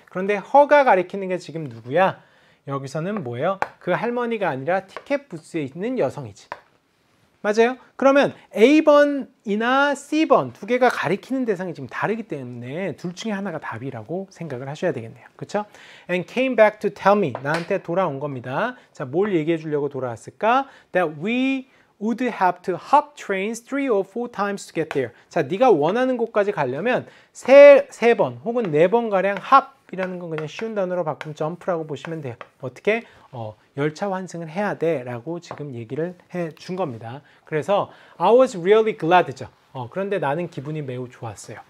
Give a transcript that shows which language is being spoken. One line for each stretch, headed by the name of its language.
Korean: 그런데 허가 가리키는 게 지금 누구야? 여기서는 뭐예요? 그 할머니가 아니라 티켓 부스에 있는 여성이지. 맞아요. 그러면 A번이나 C번 두 개가 가리키는 대상이 지금 다르기 때문에 둘 중에 하나가 답이라고 생각을 하셔야 되겠네요. 그렇죠?
English: And came back to tell me.
Korean: 나한테 돌아온 겁니다. 자, 뭘 얘기해 주려고 돌아왔을까?
English: That we would have to hop trains 3 or 4 times to get there.
Korean: 자, 네가 원하는 곳까지 가려면 세 번 혹은 네 번가량 hop이라는 건 그냥 쉬운 단어로 바꾸면 jump라고 보시면 돼요. 어떻게? 열차 환승을 해야 돼 라고 지금 얘기를 해준 겁니다. 그래서
English: I was really glad죠.
Korean: 그런데 나는 기분이 매우 좋았어요.